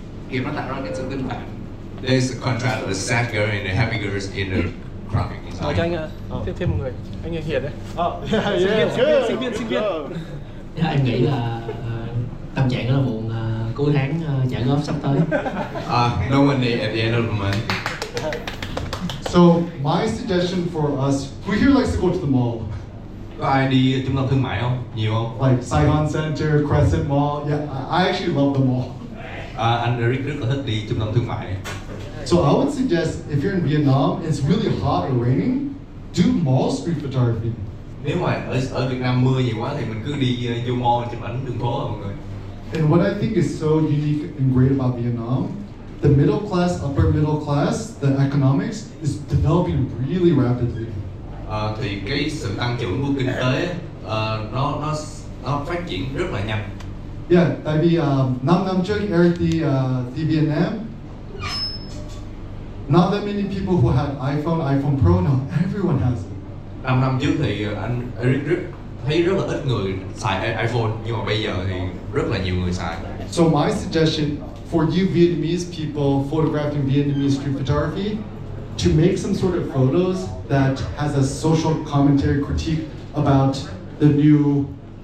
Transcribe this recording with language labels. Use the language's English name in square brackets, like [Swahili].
[English] there's a contrast of the sad girl and the happy girl is in the graphic design. [Vietnamese] Thêm một người, anh Hiền đấy. Sinh viên. Yeah, em nghĩ là tâm trạng rất là buồn, cuối tháng trả góp sắp tới. [English] No money at the end of the month. So my suggestion for us, who here likes to go to the mall? [Vietnamese] Có ai đi trung tâm thương mại không? Nhiều không? [English] Like Saigon Center, Crescent Mall. Yeah, I actually love the mall. [Vietnamese] Anh Eric rất là thích đi trung tâm thương mại. [English] So I would suggest if you're in Vietnam, it's really hot or raining, do mall street photography. [Vietnamese] Nếu mà ở Việt Nam mưa nhiều quá thì mình cứ đi vô mall chụp ảnh đường phố mọi người. [English] And what I think is so unique and great about Vietnam, the middle class, upper middle class, the economics is developing really rapidly. [Vietnamese] Thì cái sự tăng trưởng của kinh tế nó phát triển rất là nhanh. Yeah, tại vì 5 năm trước Eric đi Vietnam. [English] Not that many people who had iPhone, iPhone Pro, no, everyone has it. [Vietnamese] 5 năm trước thì anh thấy rất là ít người xài iPhone, nhưng mà bây giờ thì rất là nhiều người xài. [English] So my suggestion for you Vietnamese people photographing Vietnamese street photography, to make some sort of photos that has a social commentary critique about the new